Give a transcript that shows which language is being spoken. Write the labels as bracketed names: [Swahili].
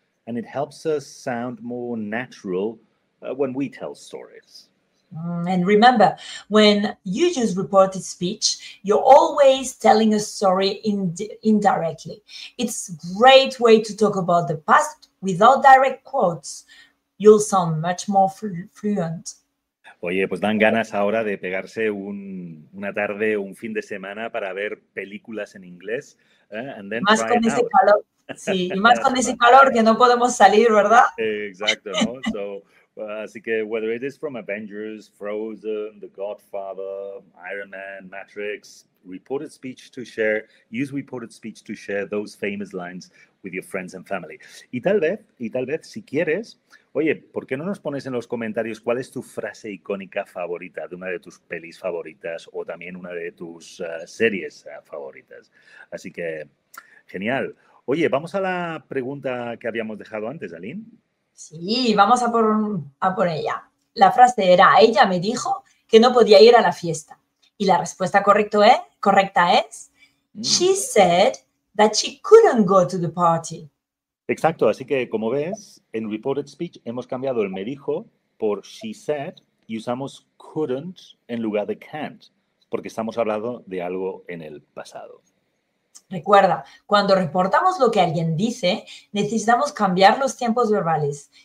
[English] And it helps us sound more natural when we tell stories. And remember, when you use reported speech, you're always telling a story indirectly. It's a great way to talk about the past without direct quotes. You'll sound much more fluent. [Spanish] Oye, pues dan ganas ahora de pegarse una tarde o un fin de semana para ver películas en inglés. [English] And then [Spanish] más con ese calor. Sí, y más con ese calor que no podemos salir, ¿verdad? Exacto, ¿no? [English] So, [Spanish] así que, [English] whether it is from Avengers, Frozen, The Godfather, Iron Man, Matrix, reported speech to share, use reported speech to share those famous lines with your friends and family. [Spanish] Y tal vez, si quieres, oye, ¿por qué no nos pones en los comentarios cuál es tu frase icónica favorita de una de tus pelis favoritas o también una de tus series favoritas? Así que, genial. Oye, vamos a la pregunta que habíamos dejado antes, Aline. Sí, vamos a por ella. La frase era, ella me dijo que no podía ir a la fiesta. Y la respuesta correcta es, [English] she said that she couldn't go to the party. [Spanish] Exacto, así que como ves, en reported speech hemos cambiado el me dijo por [English] she said [Spanish] y usamos couldn't en lugar de can't, porque estamos hablando de algo en el pasado. Recuerda, cuando reportamos lo que alguien dice, necesitamos cambiar los tiempos verbales.